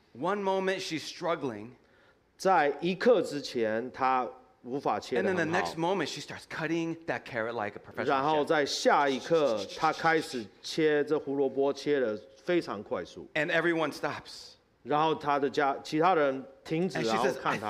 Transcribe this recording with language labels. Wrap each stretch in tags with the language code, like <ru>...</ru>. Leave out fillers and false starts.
<en>One moment she's struggling.</en> <zh>在一刻之前她无法切得很好。</zh> <en>And then the next moment she starts cutting that carrot like a professional.</en> <zh>然后在下一刻她开始切这胡萝卜切得非常快速。</zh> <en>And everyone stops.</en> <zh>然后他的家其他人停止，然后看他。</zh>